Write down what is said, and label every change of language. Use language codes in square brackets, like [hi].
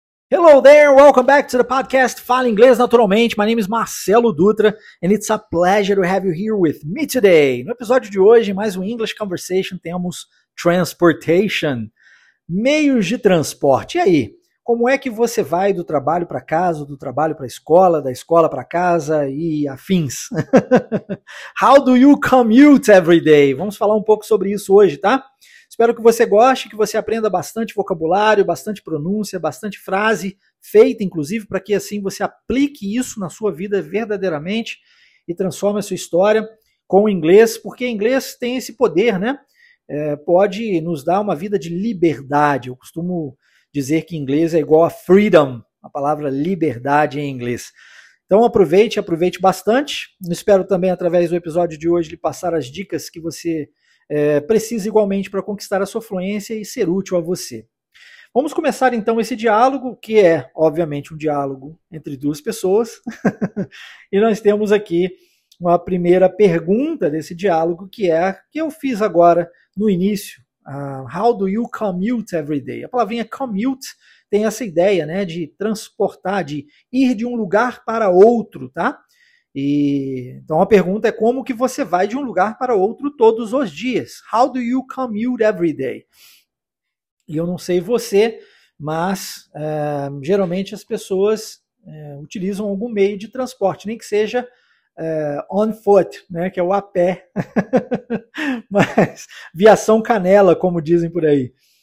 [en] Hello there, welcome back to the podcast Fala Inglês Naturalmente. My name is Marcelo Dutra, and it's a pleasure to have you here with me today. [pt] No episódio de hoje, mais um English Conversation, temos transportation, meios de transporte. E aí, como é que você vai do trabalho para casa, do trabalho para a escola, da escola para casa e afins? [en] How do you commute every day? [pt] Vamos falar um pouco sobre isso hoje, tá? Espero que você goste, que você aprenda bastante vocabulário, bastante pronúncia, bastante frase feita, inclusive, para que assim você aplique isso na sua vida verdadeiramente e transforme a sua história com o inglês, porque inglês tem esse poder, né? Pode nos dar uma vida de liberdade. Eu costumo dizer que inglês é igual a freedom, a palavra liberdade em inglês. Então aproveite bastante. Espero também, através do episódio de hoje, lhe passar as dicas que você precisa igualmente para conquistar a sua fluência e ser útil a você. Vamos começar então esse diálogo, que é, obviamente, um diálogo entre duas pessoas. E nós temos aqui uma primeira pergunta desse diálogo, que é a que eu fiz agora no início. [en] How do you commute every day? [pt] A palavrinha commute tem essa ideia, né, de transportar, de ir de um lugar para outro, tá? Então a pergunta é: como que você vai de um lugar para outro todos os dias? [en] How do you commute every day? [pt] E eu não sei você, mas geralmente as pessoas utilizam algum meio de transporte, nem que seja [en] on foot, [pt] né, que é o a pé, mas viação canela, como dizem por aí.